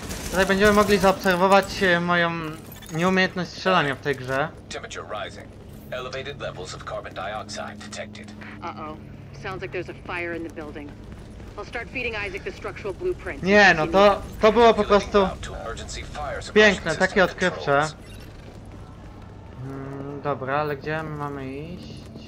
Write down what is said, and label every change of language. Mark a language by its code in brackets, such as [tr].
[pl] Tutaj będziemy mogli zaobserwować moją nieumiejętność strzelania w tej grze. [en] Temperature rising. Elevated levels of carbon dioxide detected. Uh-oh. Sounds like there's a fire in the building. I'll start feeding Isaac the structural blueprint. [pl] Nie, no to było po prostu piękne, takie odkrywcze. Dobra, ale gdzie mamy iść?